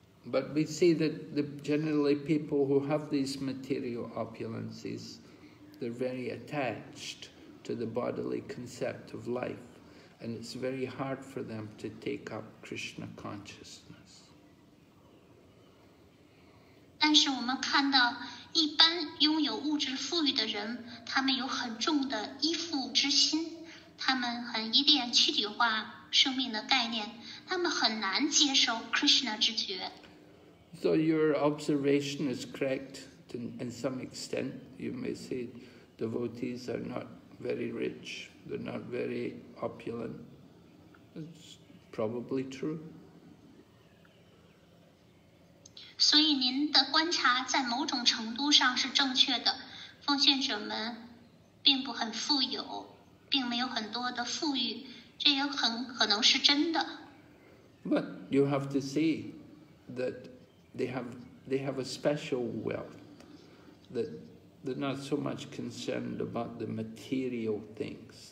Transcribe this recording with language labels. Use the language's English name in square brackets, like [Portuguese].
[English] But we see that the generally people who have these material opulences, they're very attached to the bodily concept of life, and it's very hard for them to take up Krishna consciousness. [Chinese] 但是我们看到一般拥有物质富裕的人，他们有很重的依附之心，他们很依恋躯体化生命的概念，他们很难接受 Krishna 之觉。 [English] So your observation is correct in some extent. You may say devotees are not very rich, they're not very opulent. It's probably true. [Chinese] 所以您的观察在某种程度上是正确的，奉献者们并不很富有，并没有很多的富裕，这也很可能是真的。 [English] But you have to see that they have a special wealth that they're not so much concerned about the material things.